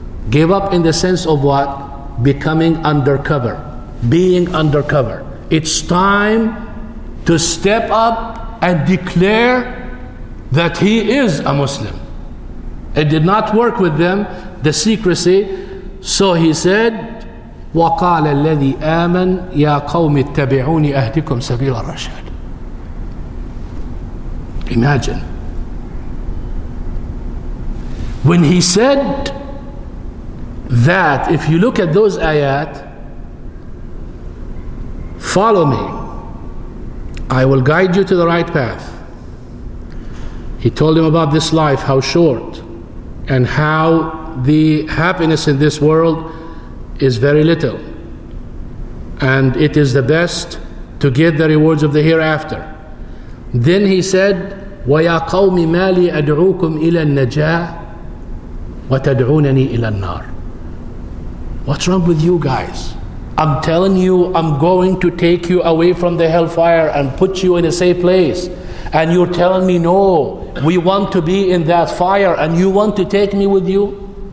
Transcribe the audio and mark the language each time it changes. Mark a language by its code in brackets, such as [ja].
[en] Gave up in the sense of what? Becoming undercover. Being undercover. It's time to step up and declare that he is a Muslim. It did not work with them, the secrecy. So he said, [ar] وَقَالَ الَّذِي آمَنْ يَا قَوْمِ اتَّبِعُونِ أَهْدِكُمْ سَبِيلَ الرَّشَادِ. [en] Imagine. When he said that, if you look at those ayat, follow me, I will guide you to the right path. He told him about this life, how short, and how the happiness in this world is very little. And it is the best to get the rewards of the hereafter. Then he said, [ar] وَيَا قَوْمِ مَا لِي أَدْعُوكُمْ إِلَى النَّجَاةِ وَتَدْعُونَنِي إِلَى النَّارِ. [en] What's wrong with you guys? I'm telling you, I'm going to take you away from the hellfire and put you in a safe place. And you're telling me, no, we want to be in that fire and you want to take me with you?